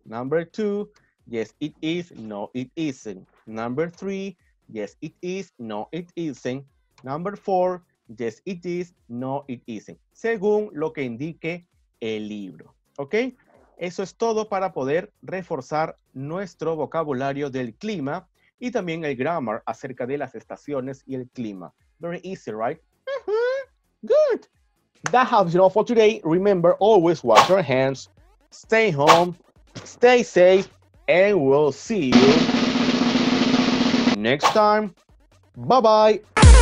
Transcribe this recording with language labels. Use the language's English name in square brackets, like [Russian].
[English] Number 2, yes, it is, no, it isn't. Number 3, yes, it is, no, it isn't. Number 4, yes, it is, no, it isn't. [Spanish] Según lo que indique el libro. ¿Ok? Eso es todo para poder reforzar nuestro vocabulario del clima. Y también el grammar acerca de las estaciones y el clima. [English] Very easy, right? Good. That helps you all for today. Remember, always wash your hands. Stay home. Stay safe. And we'll see you next time. Bye-bye.